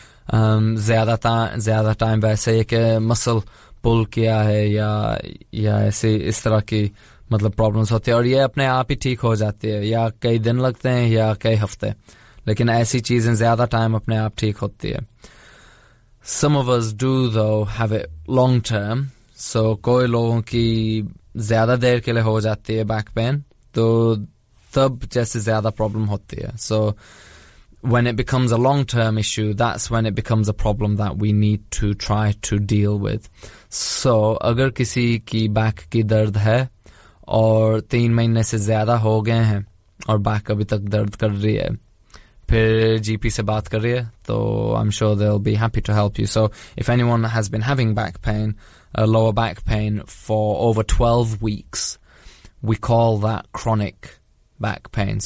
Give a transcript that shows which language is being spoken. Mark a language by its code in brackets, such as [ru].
[hi] Zyada time vaise ek muscle pull kiya hai ya aise is tarah ki मतलब problems होती है और ये अपने आप ही ठीक हो जाती है या कई दिन लगते हैं या कई हफ्ते लेकिन ऐसी चीजें ज्यादा टाइम अपने आप ठीक होती है. [en] Some of us do though have it long term. [hi] So कोई लोगों की ज्यादा देर के लिए हो जाती है बैक पेन तो तब जैसे ज्यादा प्रॉब्लम होती है. [en] So when it becomes a long term issue, that's when it becomes a problem that we need to try to deal with. [hi] So अगर किसी की बैक की दर्द है और 3 महीने से ज्यादा हो गए हैं और बैक अभी तक दर्द कर रही है फिर GP से बात कर रही है तो [en] I'm sure they'll be happy to help you. So if anyone has been having back pain, a lower back pain for over 12 weeks, we call that chronic back pain.